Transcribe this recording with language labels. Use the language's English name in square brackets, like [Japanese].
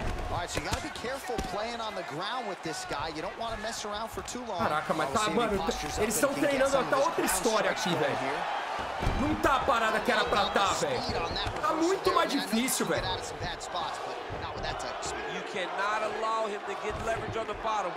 [English] Alright, so you gotta be careful playing on the ground with this guy. You don't wanna mess around for too long. [Portuguese] Caraca, mas tá, mano. Eles estão treinando até outra história aqui, velho. Não tá a parada que era pra tá, velho. Tá muito mais difícil, velho. [English] You cannot allow him to get leverage on the bottom.